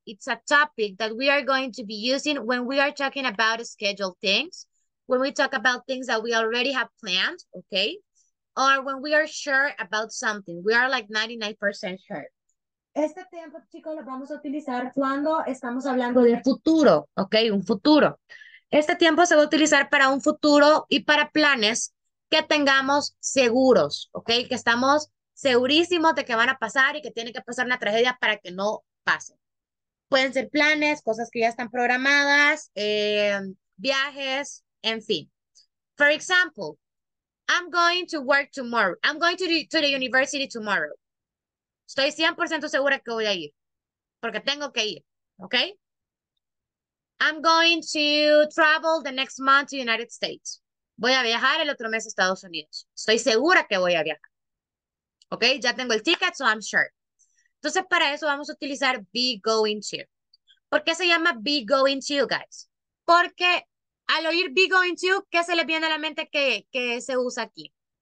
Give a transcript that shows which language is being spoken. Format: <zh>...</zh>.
<en>It's a topic that we are going to be using when we are talking about scheduled things, when we talk about things that we already have planned, okay? Or when we are sure about something. We are like 99% sure.</en> <es>Este tiempo, chicos, lo vamos a utilizar cuando estamos hablando de futuro, okay? Un futuro. Este tiempo se va a utilizar para un futuro y para planes que tengamos seguros, ¿ok? Que estamos segurísimos de que van a pasar y que tiene que pasar una tragedia para que no pasen. Pueden ser planes, cosas que ya están programadas, viajes, en fin.</es> <en>For example, I'm going to work tomorrow. I'm going to the university tomorrow.</en> <es>Estoy 100% segura que voy a ir, porque tengo que ir, ¿ok?</es> <en>I'm going to travel the next month to the United States.</en> <es>Voy a viajar el otro mes a Estados Unidos. Estoy segura que voy a viajar. Ok, ya tengo el ticket,</es> <en>so I'm sure.</en> <es>Entonces, para eso vamos a utilizar be going to. ¿Por qué se llama be going to, guys? Porque al oír be going to, ¿qué se les viene a la mente que se usa aquí?</es>